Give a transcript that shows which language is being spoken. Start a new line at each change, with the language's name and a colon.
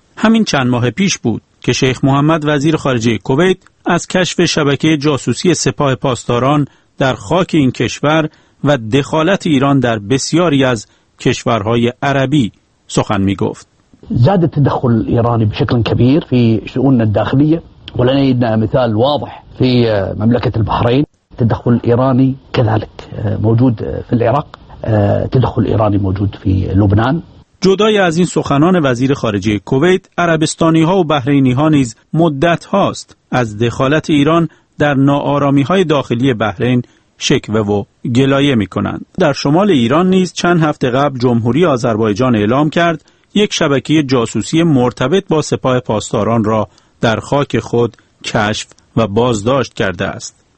Persian: همین چند ماه پیش بود که شیخ محمد وزیر خارجه کویت از کشف شبکه جاسوسی سپاه پاسداران در خاک این کشور و دخالت ایران در بسیاری از کشورهای عربی سخن می گفت.
Arabic: زاد تدخل ایرانی به شکل کبیر فی شؤون الداخلیه و لدينا مثال واضح فی مملکت البحرین. تدخل ايراني كذلك موجود في العراق، تدخل ايراني موجود في لبنان.
Persian: جدای از این سخنان وزیر خارجه کویت، عربستانی ها و بحرینی ها نیز مدت هاست از دخالت ایران در ناآرامی های داخلی بحرین شکوه و گلایه می کنند. در شمال ایران نیز چند هفته قبل جمهوری آذربایجان اعلام کرد یک شبکه جاسوسی مرتبط با سپاه پاسداران را در خاک خود کشف و بازداشت کرده است.